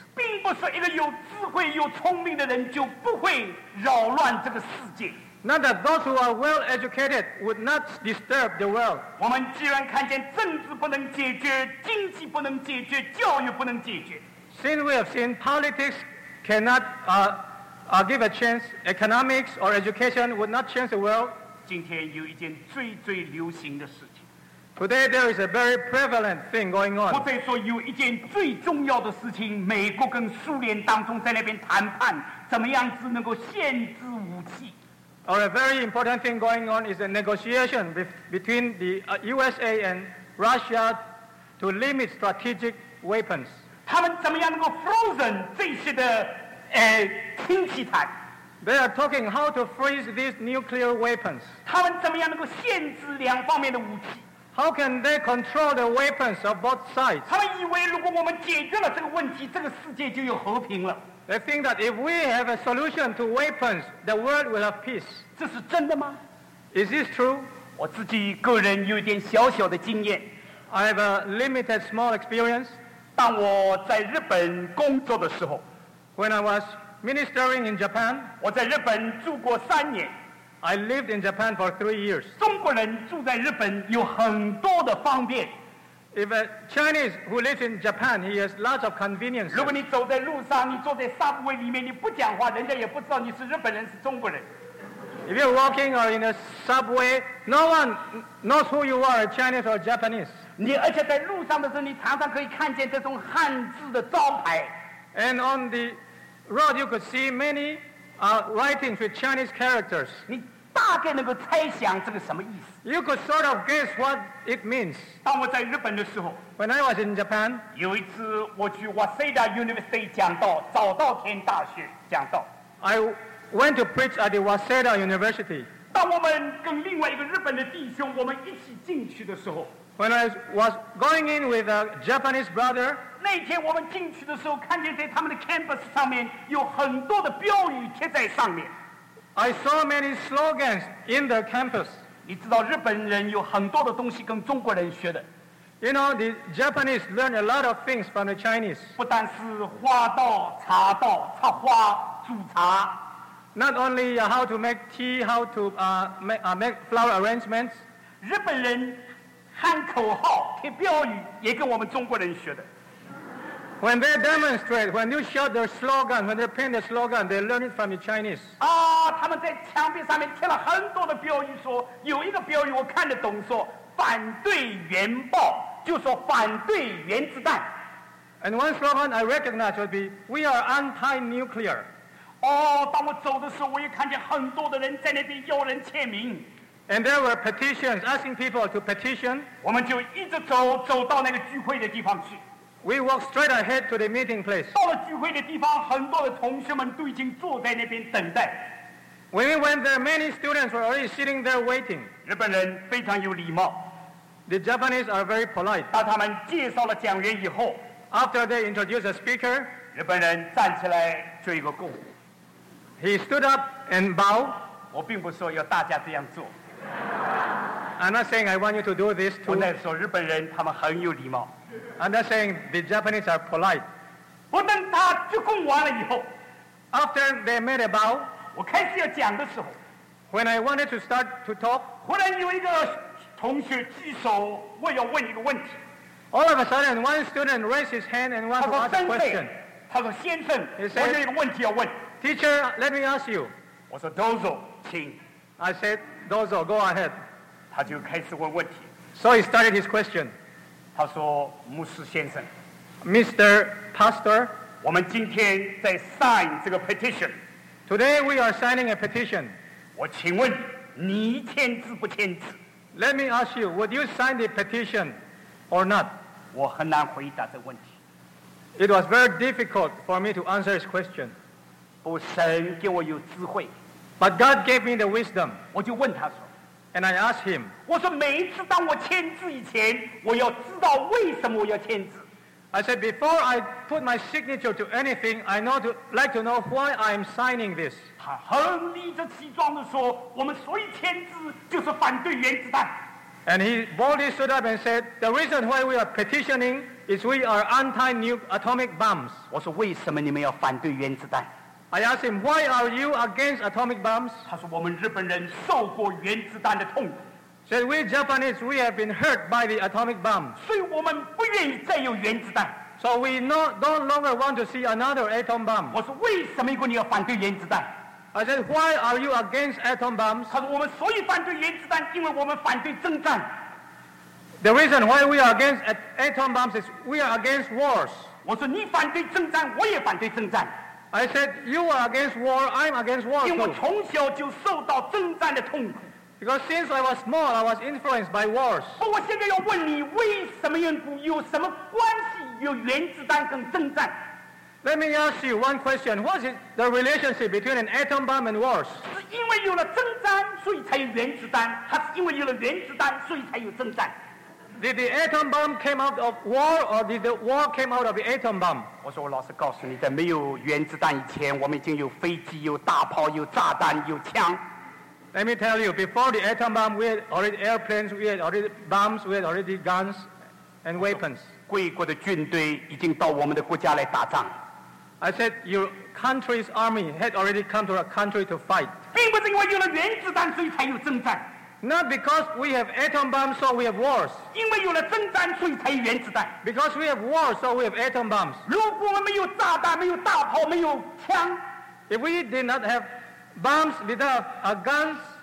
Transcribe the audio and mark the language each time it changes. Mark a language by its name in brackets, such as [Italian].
[Chinese] 并不是一个有智慧有聪明的人就不会扰乱这个世界 [English] Not that those who are well educated would not disturb the world [Chinese] 我们既然看见政治不能解决经济不能解决教育不能解决 [English] Since we have seen politicscannot give a chance, economics or education would not change the world. [Chinese] 今天有一件最最流行的事情。 [English] Today there is a very prevalent thing going on. [Chinese] 或者说有一件最重要的事情，美国跟苏联当中在那边谈判，怎么样子能够限制武器。 [English] Or a very important thing going on is a negotiation between the USA and Russia to limit strategic weapons. [Chinese] 他们怎么样能够 frozen 这些的氢气弹 [English] They are talking how to freeze these nuclear weapons. [Chinese] 他们怎么样能够限制两方面的武器？ [English] How can they control the weapons of both sides? [Chinese] 他们以为如果我们解决了这个问题，这个世界就有和平了。 [English] They think that if we have a solution to weapons, the world will have peace. [Chinese] 这是真的吗？ [English] Is this true? [Chinese] 我自己个人有点小小的经验。 [English] I have a limited small experience. [Chinese] 当我在日本工作的时候， [English] When I was ministering in Japan, [Chinese] 我在日本住过三年。 [English] I lived in Japan for 3 years. [Chinese] 中国人住在日本有很多的方便。 [English] If a Chinese who lives in Japan, he has lots of conveniences. [Chinese] 如果你走在路上，你坐在 subway 里面，你不讲话，人家也不知道你是日本人，是中国人。 [English] If you're walking or in a subway, no one knows who you are, Chinese or Japanese. [Chinese] 你而且在路上的时候，你常常可以看见这种汉字的招牌。 [English] And on the road, you could see many writings with Chinese characters. [Chinese] 你大概能够猜想这个什么意思。 [English] You could sort of guess what it means. [Chinese] 当我在日本的时候， [English] When I was in Japan, [Chinese] 有一次我去 Waseda University 讲道，早稻田大学讲道。 [English] I went to preach at the Waseda University. [Chinese] 当我们跟另外一个日本的弟兄，我们一起进去的时候， [English] When I was going in with a Japanese brother, [Chinese] 那天我们进去的时候，看见在他们的 campus 上面有很多的标语贴在上面。 [English] I saw many slogans in the campus. [Chinese] 你知道日本人有很多的东西跟中国人学的。 [English] You know, the Japanese learn a lot of things from the Chinese. [Chinese] 不但是花道、茶道、插花、煮茶。 [English] Not only how to make tea, how to make flower arrangements. [Chinese] 日本人喊口号、贴标语也跟我们中国人学的。 [English] When they demonstrate, when you shout their slogan, when they paint the slogan, they learn it from the Chinese. [Chinese] 啊，他们在墙壁上面贴了很多的标语，说有一个标语我看得懂，说反对原爆，就说反对原子弹。 [English] And one slogan I recognize would be, "We are anti-nuclear." [Chinese] 哦，当我走的时候，我也看见很多的人在那边要人签名。 [English] And there were petitions asking people to petition. [Chinese] 我们就一直走，走到那个聚会的地方去。 [English] We walked straight ahead to the meeting place. [Chinese] 到了聚会的地方，很多的同学们都已经坐在那边等待。 [English] When we went there, many students were already sitting there waiting. [Chinese] 日本人非常有礼貌。 [English] The Japanese are very polite. [Chinese] 当他们介绍了讲员以后， [English] After they introduced the speaker, [Chinese] 日本人站起来鞠一个躬。 [English] He stood up and bowed. [Chinese] 我并不说要大家这样做。 [English] I'm not saying I want you to do this too. [Chinese] 我在说日本人他们很有礼貌。 [English] I'm not saying the Japanese are polite. [Chinese] 不但他鞠躬完了以后， [English] After they made a bow, [Chinese] 我开始要讲的时候， [English] When I wanted to start to talk, [Chinese] 忽然有一个同学举手，我要问一个问题。 [English] All of a sudden, one student raised his hand and wanted to ask a question. [Chinese] 他说先生， [English] He said, [Chinese] 我有一个问题要问。 [English] Teacher, let me ask you. [Chinese] 我说 Dozo, 请。 [English] I said, Dozo, go ahead. [Chinese] 他就开始问问题。 [English] So he started his question. [Chinese] 他说牧师先生 [English] Mr. Pastor [Chinese] 我们今天在 sign 这个 petition [English] Today we are signing a petition [Chinese] 我请问你签字不签字 [English] Let me ask you Would you sign the petition or not [Chinese] 我很难回答这个问题 [English] It was very difficult for me to answer his question [Chinese] 不神给我有智慧 [English] But God gave me the wisdom [Chinese] 我就问他说 [English] And I asked him, [Chinese] 我说每一次当我签字以前，我要知道为什么我要签字。 [English] I said, before I put my signature to anything, I know to like to know why I'm signing this. [Chinese] 他很理直气壮地说，我们所以签字就是反对原子弹。 [English] And he boldly stood up and said, the reason why we are petitioning is we are anti-atomic bombs. [Chinese] 我说为什么你们要反对原子弹？ [English] I asked him, why are you against atomic bombs? [Chinese] 他说我们日本人受过原子弹的痛苦。 [English] Said we Japanese, we have been hurt by the atomic bomb. [Chinese] 所以我们不愿意再有原子弹。 [English] So we don't longer want to see another atom bomb. [Chinese] 我说为什么你要反对原子弹？ [English] I said, why are you against atom bombs? [Chinese] 他说我们所以反对原子弹，因为我们反对征战。 [English] The reason why we are against atom bombs is we are against wars. [Chinese] 我说你反对征战，我也反对征战。 [English] I said, you are against war, I'm against war too. [Chinese] 因为我从小就受到征战的痛苦。 [English] Because since I was small, I was influenced by wars. [Chinese] 我现在要问你，为什么缘故，有什么关系，有原子弹跟征战？ [English] Let me ask you one question. What is the relationship between an atom bomb and wars? [Chinese] 是因为有了争战，所以才有原子弹。它是因为有了原子弹，所以才有争战。 [English] Did the atom bomb came out of war, or did the war came out of the atom bomb? [Chinese] 我说，我老实告诉你，在没有原子弹以前，我们已经有飞机、有大炮、有炸弹、有枪。 [English] Let me tell you, before the atom bomb, we had already airplanes, we had already bombs, we had already guns and weapons. [Chinese] 贵国的军队已经到我们的国家来打仗。 [English] I said your country's army had already come to our country to fight. [Chinese] 并不是因为有了原子弹，所以才有征战。 [English] Not because we have atom bombs, so we have wars. [Chinese] 因为有了征战，所以才有原子弹。 [English] Because we have wars, so we have atom bombs. [Chinese] 如果我们没有炸弹，没有大炮，没有枪 [English] ，If we did not have bombs without our guns,